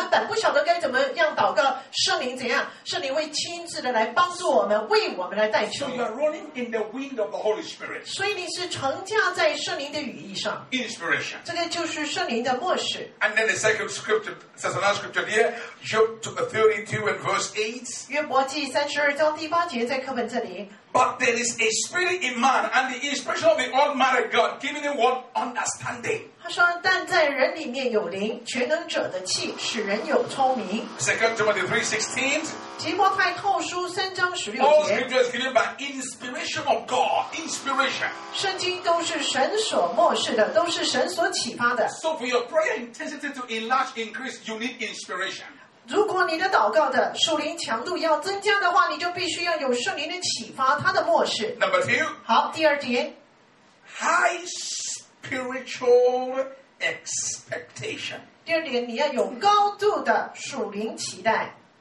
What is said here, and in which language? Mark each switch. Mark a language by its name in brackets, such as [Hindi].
[Chinese] 他说况且我们的软弱有圣灵帮助我们本不晓得该怎么样祷告圣灵怎样 圣灵会亲自的来帮助我们 为我们来带出 [English] So you're running in the wind of the Holy Spirit [Chinese] 所以你是乘驾在圣灵的羽翼上 [English] Inspiration [Chinese] 这个就是圣灵的默示 [English] And then the second scripture says another scripture here Job 32 and verse 8 [Chinese] 约伯记32章第8节在课本这里 [English] But there is a spirit in man, and the expression of the Almighty God giving him what understanding. [Chinese] 他说，但在人里面有灵，全能者的气使人有聪明。 [English] 2 Timothy 3:16. [Chinese] 提摩太后书三章十六节。 [English] All scripture is given by inspiration of God. Inspiration. [Chinese] 圣经都是神所默示的，都是神所启发的。 [English] So for your prayer intensity to enlarge, increase, you need inspiration. [Chinese] 如果你的祷告的属灵强度要增加的话，你就必须要有圣灵的启发，他的默示。 [English] Number two. [Chinese] 好，第二点。 [English] High spiritual expectation. [Chinese] 第二点，你要有高度的属灵期待。